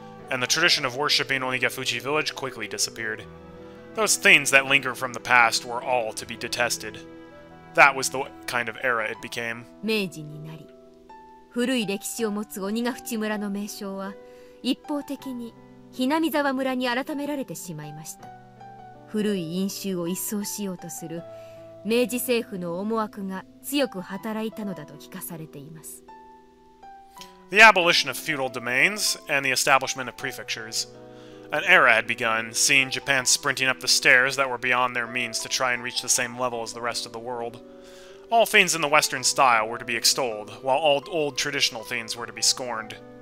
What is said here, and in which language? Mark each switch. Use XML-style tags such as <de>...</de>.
<en>And the tradition of worshipping Onigafuchi Village quickly disappeared. Those things that linger from the past were all to be detested. That was the kind of era it became.</en> <ja>Meiji になり、古い歴史を持つ鬼ヶ淵村の名称は一方的に雛見沢村に改められてしまいました。古い因習を一掃しようとする明治政府の思惑が強く働いたのだと聞かされています。</ja> <en>The abolition of feudal domains and the establishment of prefectures. An era had begun, seeing Japan sprinting up the stairs that were beyond their means to try and reach the same level as the rest of the world. All things in the Western style were to be extolled, while all old traditional things were to be scorned.</en>